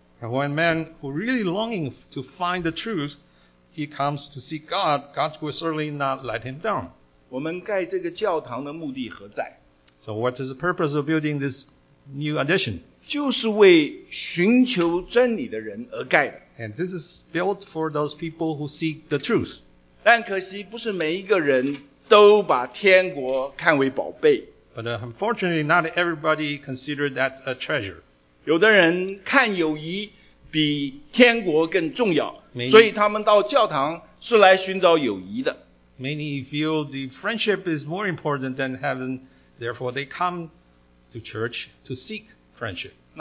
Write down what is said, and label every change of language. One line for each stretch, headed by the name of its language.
English: And when man who really longing to find the truth, he comes to seek God, God will certainly not let him down.
Chinese: 我们盖这个教堂的目的何在?
English: So what is the purpose of building this new addition?
Chinese: 就是为寻求真理的人而盖的。
English: And this is built for those people who seek the truth.
Chinese: 但可惜不是每一个人都把天国看为宝贝。
English: But unfortunately, not everybody considered that a treasure.
Chinese: 有的人看友谊比天国更重要。所以他们到教堂是来寻找友谊的。Many
English: feel the friendship is more important than heaven, therefore they come to church to seek friendship.